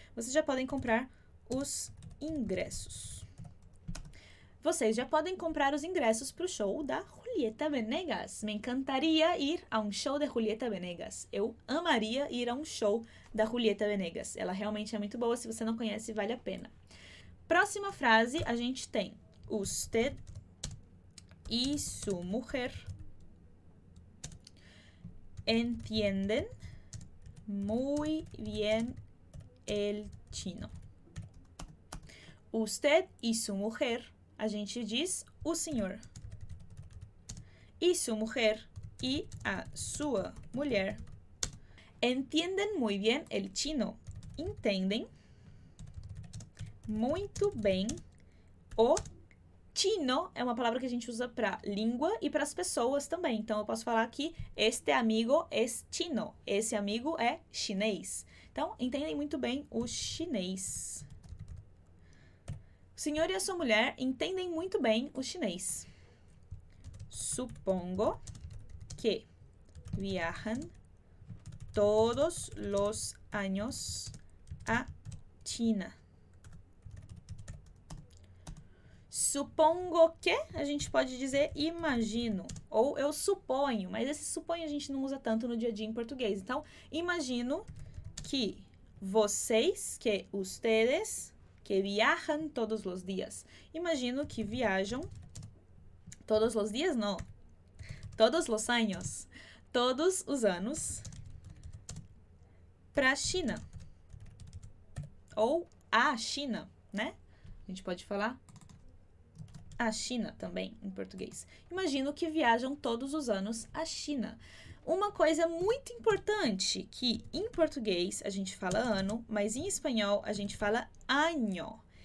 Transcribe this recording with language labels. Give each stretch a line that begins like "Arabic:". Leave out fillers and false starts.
Portuguese: Vocês já podem comprar os ingressos. Vocês já podem comprar os ingressos para o show da Julieta Venegas.
Spanish: Me encantaria
Portuguese: ir a um show de Julieta Venegas. Eu amaria ir a um show da Julieta Venegas. Ela realmente é muito boa. Se você não conhece, vale a pena. Próxima frase, a gente tem
Spanish: usted e su mujer entienden muy bien el chino.
Portuguese: Usted y su mujer, a gente diz o senhor. E sua mulher e a sua mulher entendem muito bem el chino. Entendem muito bem o chino. É uma palavra que a gente usa para língua e para as pessoas também. Então eu posso falar que
Spanish: este amigo es chino.
Portuguese: Esse amigo é chinês. Então entendem muito bem o chinês. O senhor e a sua mulher entendem muito bem o chinês.
Spanish: Supongo que viajan todos los años a China.
Portuguese: Supongo que a gente pode dizer imagino ou eu suponho, mas esse suponho a gente não usa tanto no dia a dia em português. Então, imagino que vocês, que ustedes,
Spanish: que viajan todos los días.
Portuguese: Imagino que viajam
Spanish: todos los días,
Portuguese: não. Todos los años, todos os anos, para a China. Ou a China, né? A gente pode falar a China também em português. Imagino que viajam todos os anos à China. Uma coisa muito importante que em português a gente fala ano, mas em espanhol a gente fala año.